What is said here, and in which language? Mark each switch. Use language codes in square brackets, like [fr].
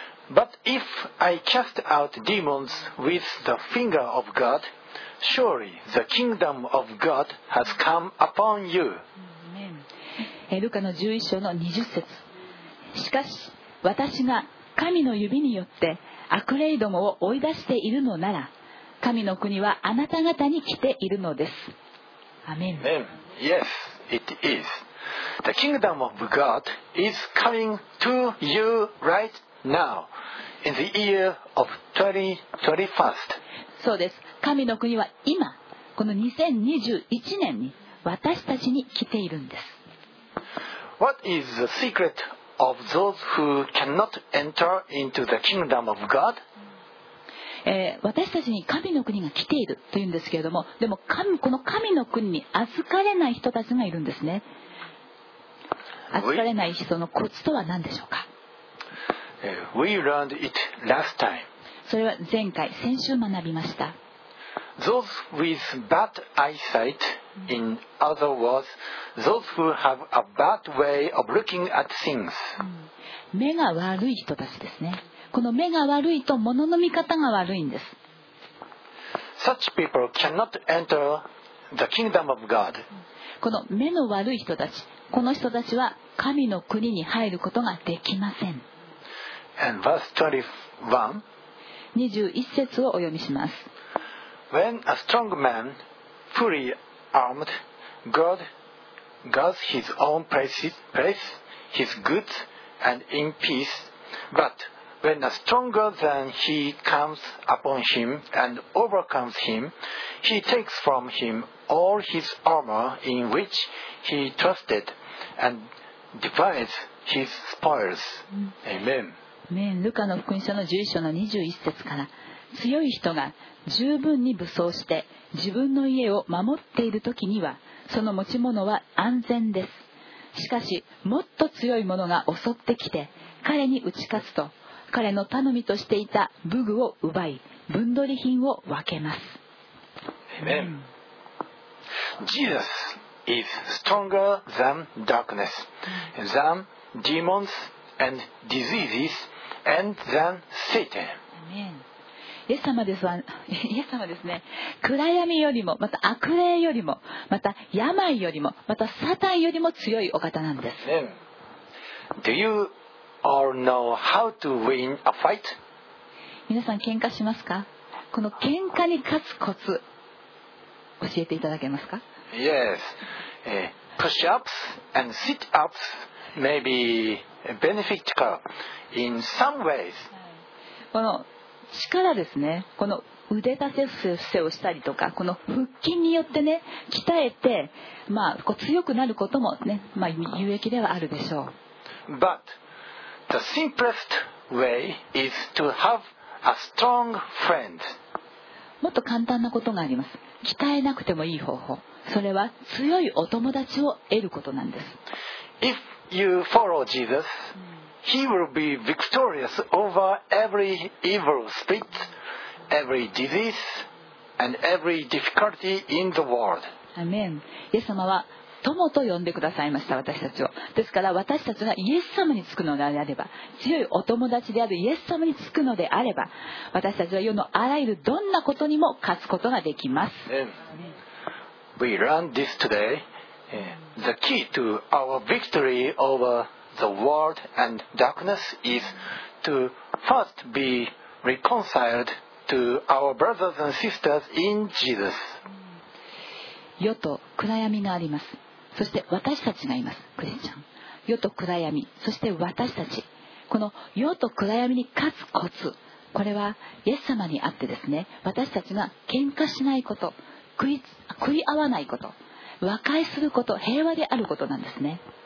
[en] But if I cast out demons with the finger of God, surely the kingdom of God has come upon you. [ja] ルカの11章の20節、しかし私が神の指によって悪霊どもを追い出しているのなら、神の国はあなた方に来ているのです。アメン。 [en] Yes, it is. The kingdom of God is coming to you right now in the year of 2021. [ja] そうです。神の国は今、この2021年に私たちに来ているんです。 [en] What is the secret of those who cannot enter into the kingdom of God? [ja] 私たちに神の国が来ているというんですけれども、でも神、この神の国に預かれない人たちがいるんですね。預かれない人のコツとは何でしょうか。 [en] We learned it last time. [ja] それは前回、先週学びました。 [en] Those with bad eyesight, in other words, those who have a bad way of looking at things. [ja] 目が悪い人たちですね。この目が悪いと物の見方が悪いんです。 [en] Such people cannot enter the kingdom of God. [ja] この目の悪い人たち、この人たちは神の国に入ることができません。 [en] And verse [ja] 21 21節をお読みします。 [en] When a strong man fully armed God guards his own place, his goods, and in peace. But when a stronger than he comes upon him and overcomes him, he takes from him all his armor in which he trusted and divides his spoils. Amen. Amen. [ja] ルカの福音書の11章の21節から、強い人が十分に武装して自分の家を守っているときには、その持ち物は安全です。しかし、もっと強い者が襲ってきて、彼に打ち勝つと、彼の頼みとしていた武具を奪い、分取り品を分けます。 [en] Amen. Jesus is stronger than darkness, than demons and diseases, and than Satan. Amen. [ja] イエス様ですわ、イエス様ですね、暗闇よりも、また悪霊よりも、また病よりも、またサタンよりも強いお方なんです。 [en] Amen. Do you all know how to win a fight? [ja] 皆さん喧嘩しますか？この喧嘩に勝つコツ、教えていただけますか？ [en] Yes. Push-ups and sit-ups may be beneficial in some ways. [ja] この力ですね、この腕立て伏せをしたりとか、この腹筋によってね、鍛えて、まあ、こう強くなることもね、まあ、有益ではあるでしょう。 [en] But the simplest way is to have a strong friend. [ja] もっと簡単なことがあります。鍛えなくてもいい方法、それは強いお友達を得ることなんです。 [en] If you follow JesusHe will be victorious over every evil spirit, every disease, and every difficulty in the world. Amen. [ja] イエス様は友と呼んでくださいました、私たちを。ですから私たちがイエス様につくのであれば、強いお友達であるイエス様につくのであれば、私たちは世のあらゆるどんなことにも勝つことができます。 [en] Amen. We learn this today. The key to our victory over the world and darkness is to first be reconciled to our brothers and sisters in Jesus. [ja] 世と暗闇があります。そして私たちがいます、クリスチャン。世と暗闇、そして私たち。この世と暗闇に勝つコツ、これはイエス様にあってですね、私たちが喧嘩しないこと、食い合わないこと、和解すること、平和であることなんですね。